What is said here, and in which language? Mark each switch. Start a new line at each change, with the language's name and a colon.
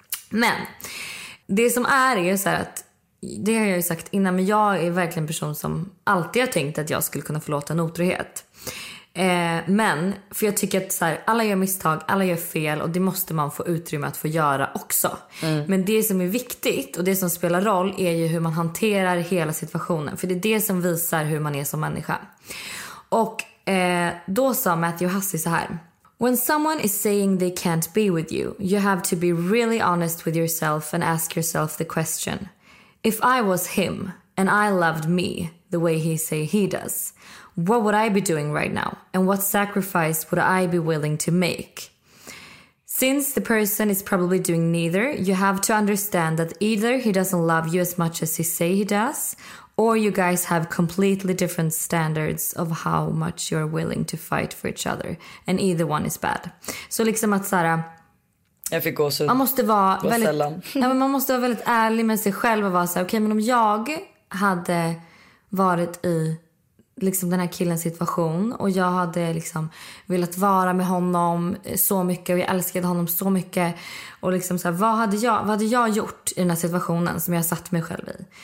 Swedish: Men det som är så här att, det har jag ju sagt innan, men jag är verkligen en person som alltid har tänkt att jag skulle kunna förlåta en otrohet. Men, för jag tycker att så här, alla gör misstag, alla gör fel, och det måste man få utrymme att få göra också. Mm. Men det som är viktigt och det som spelar roll är ju hur man hanterar hela situationen. För det är det som visar hur man är som människa. Och då sa Matthew Hussey så här:
English: when someone is saying they can't be with you, you have to be really honest with yourself and ask yourself the question: if I was him and I loved me the way he say he does, what would I be doing right now? And what sacrifice would I be willing to make? Since the person is probably doing neither, you have to understand that either he doesn't love you as much as he say he does, Or you guys have completely different standards of how much you're willing to fight for each other. And either one is bad.
Swedish: Så liksom att såhär... Jag fick gå så... Man måste vara väldigt, man måste vara väldigt ärlig med sig själv och vara så här, okej, men om jag hade varit i liksom den här killens situation och jag hade liksom velat vara med honom så mycket och jag älskade honom så mycket och liksom så här, vad hade jag gjort i den här situationen som jag satt mig själv i?